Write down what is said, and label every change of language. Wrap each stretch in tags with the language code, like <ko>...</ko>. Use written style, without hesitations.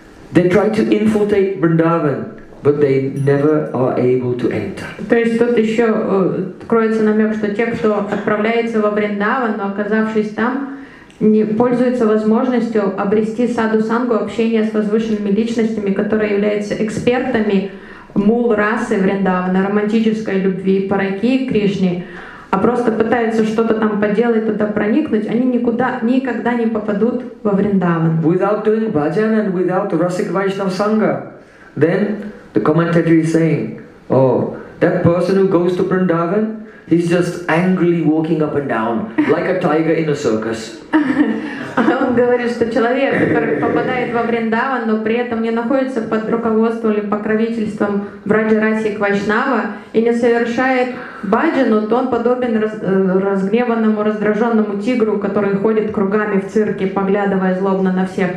<en>They try to infiltrate Vrindavan, but they never are able to enter.</en> <ru>То есть тут еще кроется намек, что те, кто отправляется во Вриндаван, но оказавшись там, не пользуются возможностью обрести саду-сангу, общение с возвышенными личностями, которые являются экспертами мул-расы Вриндавана, романтической любви, параки и Кришне, а просто пытаются что-то там поделать, туда проникнуть, они никуда, никогда не попадут во Вриндаван.</ru> <en>Without doing bhajan and without rasic Vaishnava sangha, then the commentator is saying, oh, that person who goes to Vrindavan, he's just angrily walking up and down, like a tiger in a circus.</en> <ru>Он говорит, что человек, который попадает во Вриндаван, но при этом не находится под руководством или покровительством Враджа Раси Квайшнава и не совершает баджану, то он подобен разгневанному, раздраженному тигру, который ходит кругами в цирке, поглядывая злобно на всех.</ru>